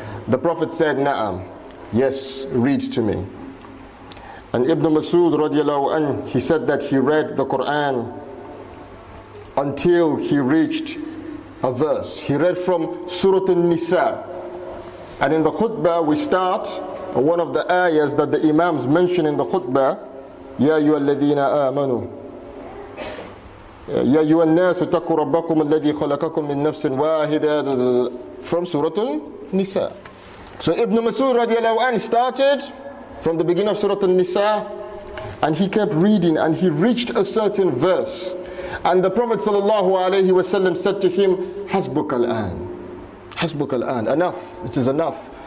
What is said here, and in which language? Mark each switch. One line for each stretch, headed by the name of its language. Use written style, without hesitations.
English: The Prophet said, "Na'am, yes, read to me." And Ibn Mas'ud radiallahu anhu, he said that he read the Quran until he reached a verse. He read from Surah An-Nisa, and in the khutbah we start one of the ayahs that the imams mention in the khutbah.
Arabic: يا أيها الذين آمنوا يا أيها الناس اتقوا ربكم الذي خلقكم من نفس واحدة
English: from Surah An-Nisa. So Ibn Mas'ud radiallahu anhu started from the beginning of Surah An-Nisa, and he kept reading, and he reached a certain verse, and the Prophet sallallahu alaihi wasallam said to him,
Arabic: حسبك الآن,
English: enough, it is enough.